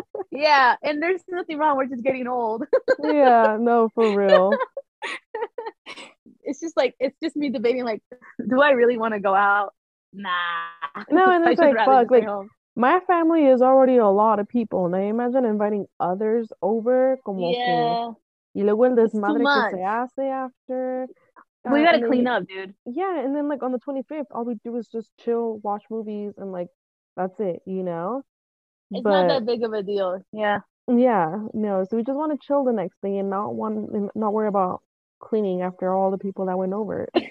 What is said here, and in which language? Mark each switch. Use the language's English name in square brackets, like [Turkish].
[English] Yeah, and there's nothing wrong, we're just getting old. Yeah, no, for real. It's just like, it's just me debating like, do I really want to go out? Nah. No, and it's like, fuck, like my family is already a lot of people. Now imagine inviting others over. [Spanish] Como [English] yeah. [Spanish] Que... Y luego el desmadre que se hace [English] after. We gotta clean up, dude. Yeah, and then like on the 25th, all we do is just chill, watch movies, and like that's it, you know? It's not that big of a deal. Yeah. Yeah, no. So we just want to chill the next day and not worry about cleaning after all the people that went over.